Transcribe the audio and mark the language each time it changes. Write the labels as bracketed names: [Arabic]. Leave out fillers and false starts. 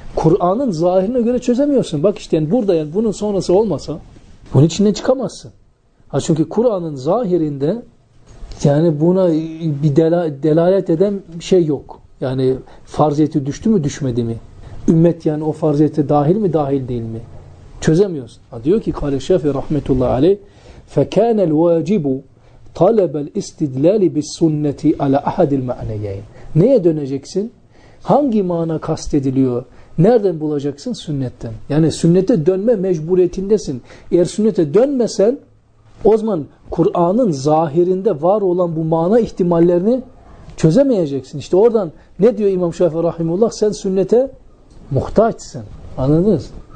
[Turkish] Kur'an'ın zahirine göre çözemiyorsun. Bak işte yani burada yani bunun sonrası olmasa bunun içinden çıkamazsın. Ha çünkü Kur'an'ın zahirinde yani buna bir delalet eden şey yok. Yani farziyeti düştü mü düşmedi mi? Ümmet yani o farziyete dahil mi dahil değil mi? Çözemiyorsun. Ha diyor ki Kale Şafi rahmetullahi aleyh [Arabic] فَكَانَ الْوَاجِبُ طَلَبَ الْاِسْتِدْلَالِ بِالسُنَّةِ عَلَى اَحَدِ الْمَعْنَيَيْنِ. [Turkish] Neye döneceksin? Hangi mana kastediliyor? Nereden bulacaksın? Sünnetten. Yani sünnete dönme mecburiyetindesin. Eğer sünnete dönmesen o zaman Kur'an'ın zahirinde var olan bu mana ihtimallerini çözemeyeceksin. İşte oradan ne diyor İmam Şafii Rahimullah? Sen sünnete muhtaçsın. Anladınız?